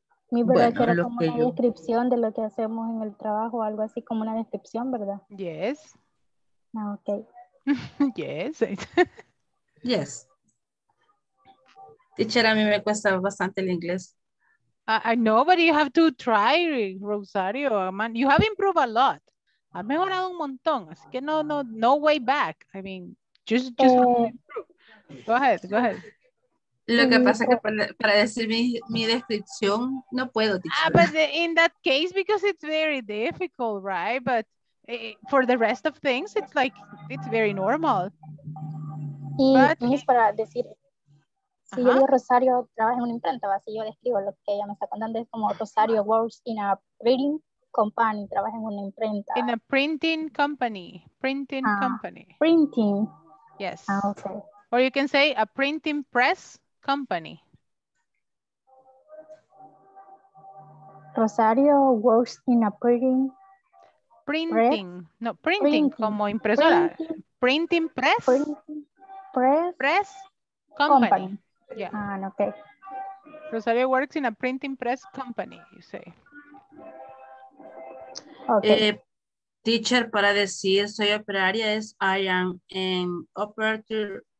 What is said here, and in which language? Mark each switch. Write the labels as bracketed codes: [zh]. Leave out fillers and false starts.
[es] Mi verdad bueno, era como una yo... descripción de lo que hacemos en el trabajo, algo así como una descripción, ¿verdad? [en] Yes. Ah, ok. Yes. Yes. [es] Teacher, a mí me cuesta bastante el inglés. [en] I know, but you have to try, Rosario. Man, you have improved a lot. [es] Ha mejorado un montón. Así que [en] no way back. I mean, just go ahead. [es] Lo que pasa es que para decir mi descripción, no puedo, teacher. [en] Ah, but in that case, because it's very difficult, right? But for the rest of things, it's like, it's very normal. [es] Es para decir... Si yo digo Rosario trabaja en una imprenta, así yo describo lo que ella me está contando, es como [en] Rosario works in a printing company, [es] trabaja en una imprenta. [en] In a printing company, printing company. Printing. Yes. Okay. Or you can say a printing press company. Rosario works in a printing. Printing. Press? No, printing [es] como impresora. [en] Printing press. Press company. Yeah. Okay. Rosario works in a printing press company, you say. Okay. [es] Teacher, para decir soy operaria es [en] I am an operator.